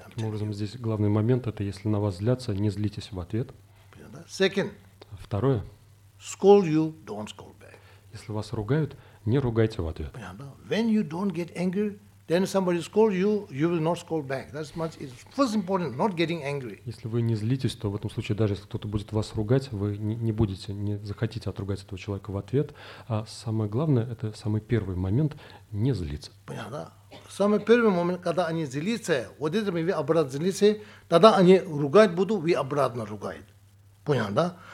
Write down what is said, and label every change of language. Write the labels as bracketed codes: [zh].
[ru] Таким образом, здесь главный момент, это если на вас злятся, не злитесь в ответ. Понятно, да? [en] Second. [ru] Второе. [en] Scold you, don't scold back. [ru] Если вас ругают, не ругайте в ответ. Понятно? [en] When you don't get angry, then somebody scold you, you will not scold back. That's much is first important, not getting angry. [ru] Если вы не злитесь, то в этом случае даже если кто-то будет вас ругать, вы не будете, не захотите отругать этого человека в ответ. А самое главное, это самый первый момент, не злиться. Понятно? Самый первый момент, когда они злятся, вот это вы обратно злитесь, тогда они ругать будут, вы обратно ругаете. Понятно, да?